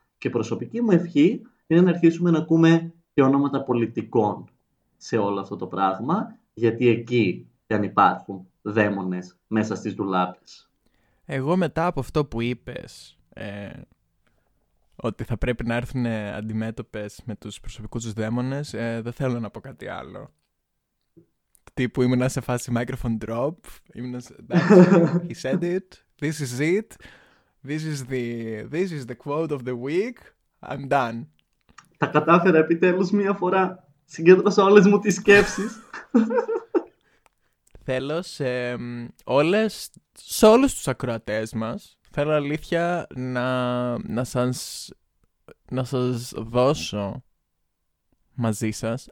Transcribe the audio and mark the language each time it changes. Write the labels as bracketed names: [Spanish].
[Greek] Και προσωπική μου ευχή είναι να αρχίσουμε να ακούμε και ονόματα πολιτικών σε όλο αυτό το πράγμα, γιατί εκεί δεν υπάρχουν δαίμονες μέσα στις ντουλάπες. Εγώ μετά από αυτό που είπες Ότι θα πρέπει να έρθουν αντιμέτωπες με τους προσωπικούς τους δαίμονες. Δεν θέλω να πω κάτι άλλο. Τύπου ήμουν σε φάση [English] microphone drop. [Greek] Ήμουν σε... [English] He said it. This is it. This is the quote of the week. I'm done. [Greek] Τα κατάφερα επιτέλους μία φορά. Συγκέντρωσα όλες μου τις σκέψεις. Θέλω σε, όλες, σε όλους τους ακροατές μας, θέλω αλήθεια να σας δώσω μαζί σας.